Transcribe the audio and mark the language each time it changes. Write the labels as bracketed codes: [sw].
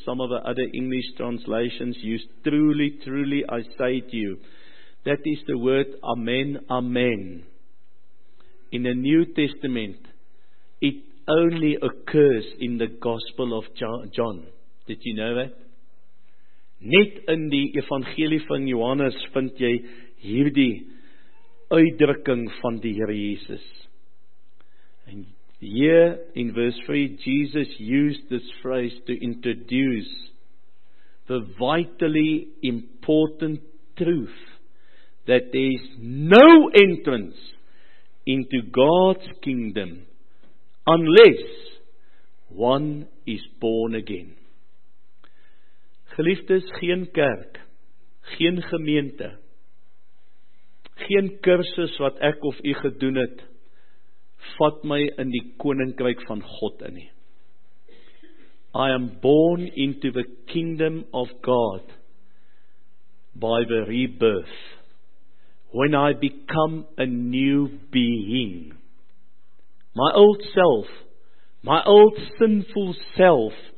[en] Some of the other English translations used, truly, truly, I say to you. That is the word, amen, amen. In the New Testament, it only occurs in the Gospel of John. Did you know that? [af] Net in die Evangelie van Johannes vind jy hierdie uitdrukking van die Here Jesus. [en] En here in verse 3, Jesus used this phrase to introduce the vitally important truth that there is no entrance into God's kingdom unless one is born again. [af] Geliefdes, geen kerk, geen gemeente, geen kursus wat ek of u gedoen het, vat my in die koninkryk van God in. [en] I am born into the kingdom of God by the rebirth, when I become a new being. My old self, my old sinful self,